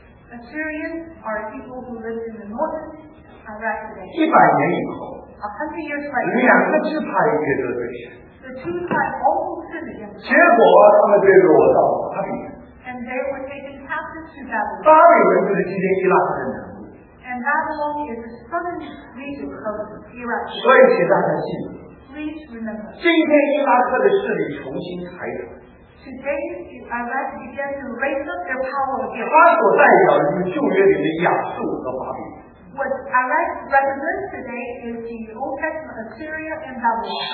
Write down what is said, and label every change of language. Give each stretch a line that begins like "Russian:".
English: Assyrians are people who live in the northern Iraq today.
Chinese: 100年以后，
English: 100 years later,
Chinese: 两个支派也得罪神。
English: The 2 tribes also sinned against God.
Chinese: 结果他们坠落到巴比伦。
English: And they were taken captive to Babylon.
Chinese: 巴比伦就是今天伊拉克的南部。
English: And Babylon is the southern region of Iraq.
Chinese: 所以请大家记住。
English: Please remember.
Chinese: 今天伊拉克的势力重新抬头。
English: Today, Iraq began to raise up their power again.
Chinese: 它所代表的就是旧约里的亚述和巴比伦。
English: What Iraq represents today is the Old Testament of Syria and Babylon.